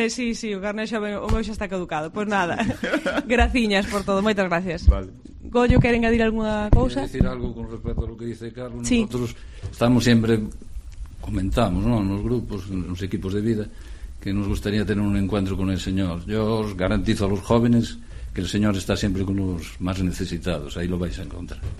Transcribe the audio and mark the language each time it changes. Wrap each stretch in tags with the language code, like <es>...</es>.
<gl>Sí, sí, o carné xoven, o meu xa está caducado. Pois nada, graciñas por todo, moitas gracias. Vale. Goyo, queren adir algunha cousa? Quero dicir algo</gl> <es>con respecto a lo que dice Carlos. Sí. Nosotros estamos sempre, comentamos, ¿no?,</es> <gl>nos grupos, nos equipos de vida,</gl> <es>que nos gustaría tener un encuentro con el Señor. Yo os garantizo a los jóvenes que el Señor está siempre con los más necesitados. Ahí lo vais a encontrar.</es>